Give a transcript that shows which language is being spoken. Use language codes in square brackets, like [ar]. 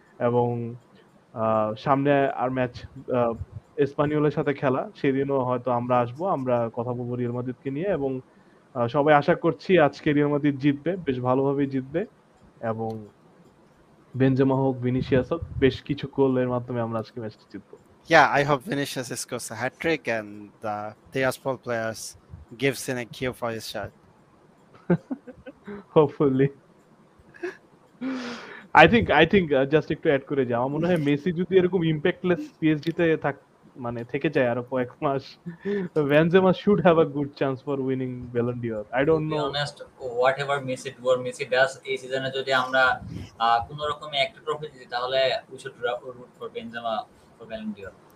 [bn] এবং সামনে আর ম্যাচ এসপানিওলের সাথে খেলা, সেদিনও হয়তো আমরা আসবো, আমরা কথা বলবো রিয়াল মাদ্রিদকে নিয়ে। এবং সবাই আশা করছি আজকে রিয়াল মাদ্রিদ জিতবে, বেশ ভালোভাবেই জিতবে, এবং বেনজেমা হোক ভিনিসিয়াস হোক বেশ কিছু গোলের মাধ্যমে আমরা আজকে ম্যাচটা জিতবো। [en] Yeah, I hope Vinicius scores a hat-trick and the Tiraspol players gives in a cue for his shot. Hopefully. I think just to add [bn] করে যাও, মনে হয় মেসি যদি এরকম ইমপ্যাক্টলেস পিএসজিতে থাকে মানে থেকে যায় আরো কয়েক মাস, [en] Benzema should have a good chance for winning Ballon d'Or. I don't know, honest whatever Messi do or Messi does, [bn] এই সিজনে যদি আমরা কোন রকমে একটা ট্রফি জিতি তাহলে [en] We should root for Benzema for Ballon d'Or.